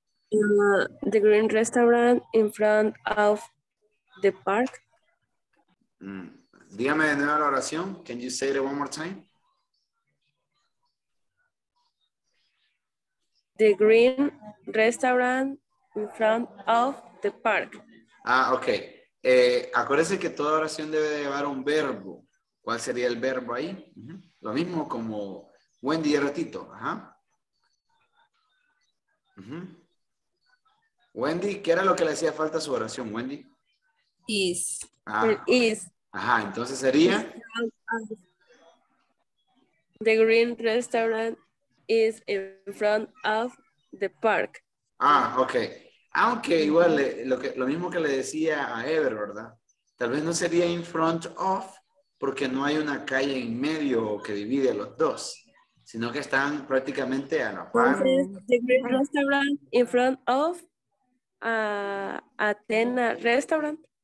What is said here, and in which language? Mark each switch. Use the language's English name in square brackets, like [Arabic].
[English] The green restaurant in front of the park. [Spanish] Dígame de nuevo la oración. [English] Can you say it one more time? The green restaurant in front of the park. Ah, okay. [Spanish] Acuérdense que toda oración debe llevar un verbo. ¿Cuál sería el verbo ahí? Lo mismo como Wendy y ratito. Ajá. Wendy, ¿qué era lo que le hacía falta a su oración, Wendy? [English] Is. [Spanish] Is. Ajá, entonces sería. [English] The green restaurant is in front of the park. Ah, ok. [Spanish] Aunque igual lo mismo que le decía a Ever, ¿verdad? Tal vez no sería in front of porque no hay una calle en medio que divide a los dos, sino que están prácticamente a la par. [English] Entonces, the green restaurant in front of. Athena Restaurant.